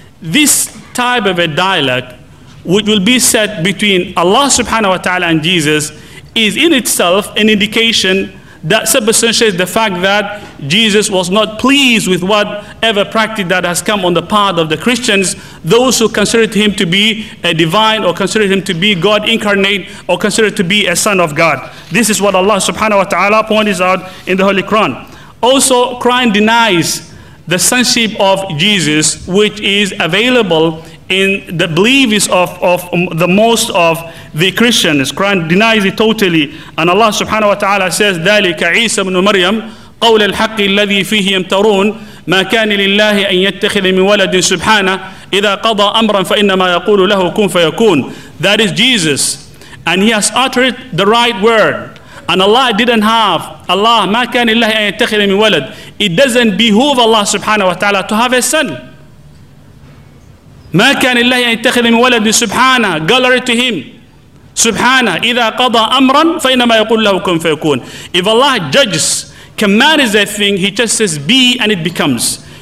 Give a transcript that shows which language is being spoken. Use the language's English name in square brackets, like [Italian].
[English] This type of a dialogue, which will be set between Allah subhanahu wa ta'ala and Jesus, is in itself an indication that substantiates the fact that Jesus was not pleased with whatever practice that has come on the part of the Christians, those who considered him to be a divine, or considered him to be God incarnate, or considered to be a son of God. This is what Allah subhanahu wa ta'ala points out in the Holy Quran. Also, Quran denies the sonship of Jesus, which is available in the believers of the most of the Christians. Quran denies it totally, and Allah subhanahu wa ta'ala says, [Arabic] ذَلِكَ عِيسَى بْنُ مَرْيَمْ قَوْلَ الْحَقِّ الَّذِي فِيهِ يَمْتَرُونَ مَا كَانِ لِلَّهِ أَنْ يَتَّخِذِ مِنْ وَلَدٍ سُبْحَانَهُ إِذَا قَضَى أَمْرًا فَإِنَّمَا يَقُولُ لَهُ كُنْ فَيَكُونَ. [English] That is Jesus, and he has uttered the right word. And Allah didn't have, Allah, [Arabic] مَا كَانِ اللَّهِ أَنْ يَتَّخِذِ مِنْ وَلَدٍ. [English] It doesn't behoove Allah subhanahu wa ta'ala to have a son. [Arabic] مَا كَانِ اللَّهِ أَنْ يَتَّخِذِ مِنْ وَلَدٍ سُبْحَانَهُ. [English] Glory to him. [Arabic] سُبْحَانَهُ. إِذَا قَضَى أَمْرًا فَإِنَّمَا يَقُولُ لَهُ كُنْ فَيَكُونَ. [English] If Allah judges, commands a thing, he just says, be and it becomes.